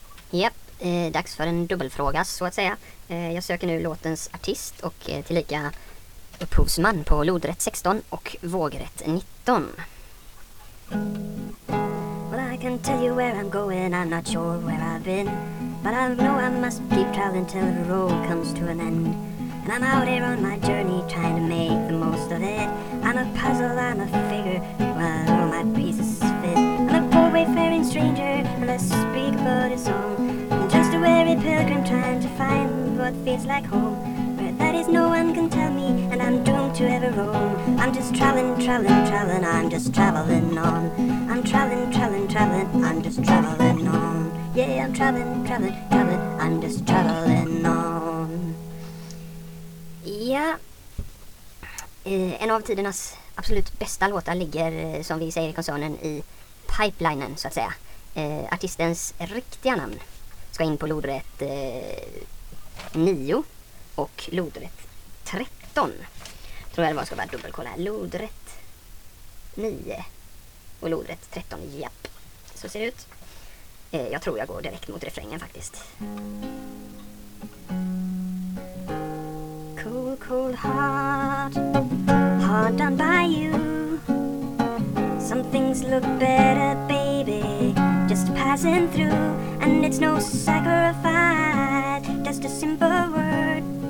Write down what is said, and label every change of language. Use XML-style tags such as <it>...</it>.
<sv>Japp, dags för en dubbelfråga så att säga. Jag söker nu låtens artist och tillika upphovsman på lodrätt 16 och vågrätt 19.</sv> <en>Well, I can tell you where I'm going, I'm not sure where I've been. But I know I must keep traveling till the road comes to an end. And I'm out here on my journey trying to make the most of it. I'm a puzzle, I'm a figure, well, all my pieces fit. I'm a poor wayfaring stranger, and I speak about a song. I'm just a weary pilgrim trying to find what feels like home. Where that is no one can tell me, and I'm doomed to ever roam. I'm just traveling, traveling, traveling, I'm just traveling on. I'm traveling, traveling, traveling, I'm just traveling on. Yeah, I'm traveling, traveling, traveling, I'm just traveling on.</en> <sv>Ja, en av tidernas absolut bästa låtar ligger, som vi säger i koncernen, i pipelinen, så att säga. Artistens riktiga namn ska in på lodrätt 9 och lodrätt 13. Tror jag det var, ska bara dubbelkolla. Lodrätt 9 och lodrätt 13, japp. Så ser det ut. Jag tror jag går direkt mot refrängen faktiskt.</sv> <en>Cold heart, heart done by you. Some things look better, baby, just passing through. And it's no sacrifice, just a simple word.</en>